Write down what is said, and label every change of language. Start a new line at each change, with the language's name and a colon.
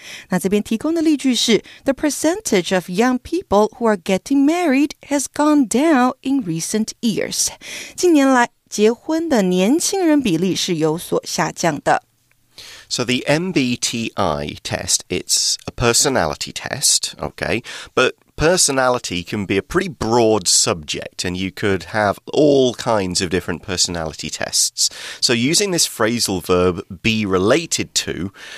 Chinese: 那这边提供的例句是
English: The percentage of young people who are getting married has gone down in recent years.
Chinese: 近年来结婚的年轻人比例是有所下降的。
English: So the MBTI test, it's a personality test, okay? But personality can be a pretty broad subject and you could have all kinds of different personality tests. So using this phrasal verb, be related to...